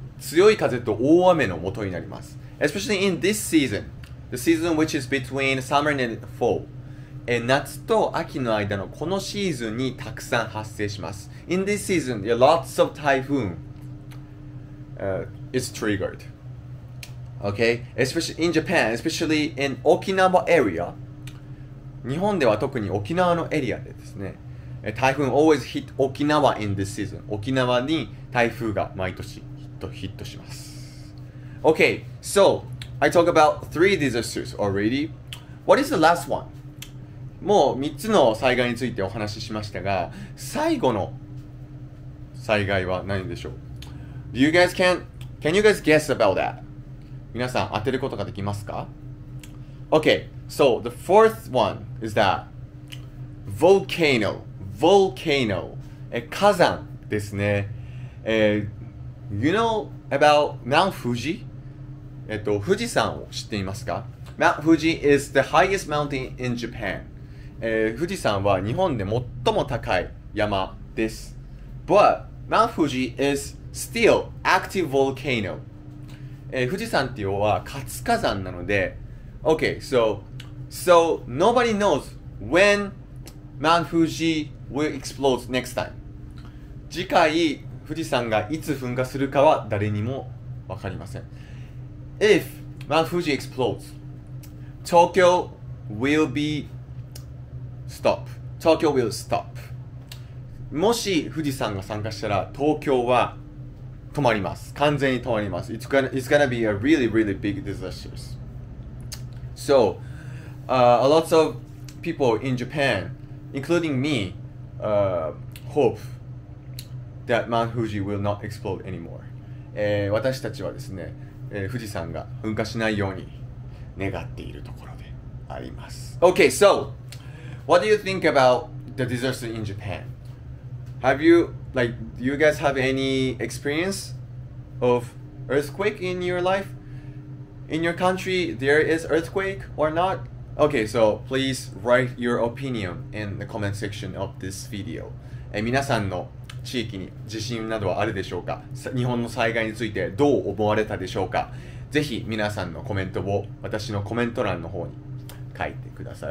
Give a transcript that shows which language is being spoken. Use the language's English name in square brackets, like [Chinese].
[Japanese] 強い風と大雨の元になります。 [English] Especially in this season. The season which is between summer and fall. [Japanese] 夏と秋の間のこのシーズンにたくさん発生します。 [English] In this season, there are lots of typhoon. It's triggered. Okay? Especially in Japan, especially in Okinawa area. [Japanese] 日本では特に沖縄のエリアでですね。 [English] 台風 always hit Okinawa in this season. [Japanese] 沖縄に台風が毎年ヒットします。 [English] Okay, so I talk about three disasters already. What is the last one? [Japanese] もう3つの災害についてお話ししましたが、最後の災害は何でしょう? [English] Do you guys can you guys guess about that? [Japanese] 皆さん当てることができますか? [English] Okay, so the fourth one is that volcano. Volcano. [Japanese] 火山ですね。 [English] You know about Mount Fuji? [Japanese] 富士山を知っていますか? [English] Mount Fuji is the highest mountain in Japan. [Japanese] 富士山は日本で最も高い山です。 [English] But Mount Fuji is still active volcano. [Japanese] 富士山っていうのは活火山なので、 [English] Okay, so nobody knows when Mount Fuji will explode next time. [Japanese] 次回富士山がいつ噴火するかは誰にも分かりません。 [English] If Mount Fuji explodes, Tokyo will be stop. Tokyo will stop. [Japanese] もし富士山が参加したら東京は止まります。完全に止まります。 [English] It's gonna be a really, really big disaster. So, a lot of people in Japan, including me, hope that Mount Fuji will not explode anymore. [Japanese] 私たちはですね、富士山が噴火しないように願っているところであります。 [English] Okay, so what do you think about the disaster in Japan? Have you, like, do you guys have any experience of earthquake in your life? In your country, there is earthquake or not? Okay, so please write your opinion in the comment section of this video. [Japanese] 皆さんの地域に地震などはあるでしょうか? 日本の災害についてどう思われたでしょうか?ぜひ皆さんのコメントを私のコメント欄の方に書いてください。